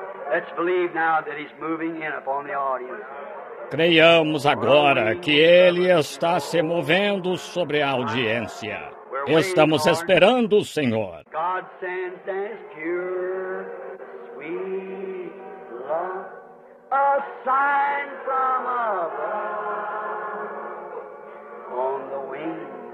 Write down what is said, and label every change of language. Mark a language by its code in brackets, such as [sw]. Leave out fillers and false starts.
[en] Let's believe now that He's moving in upon the audience. [pt] Creiamos agora que Ele está se movendo sobre a audiência. Estamos esperando o Senhor. [en] God sends His pure, sweet love, a sign from above, on the wings.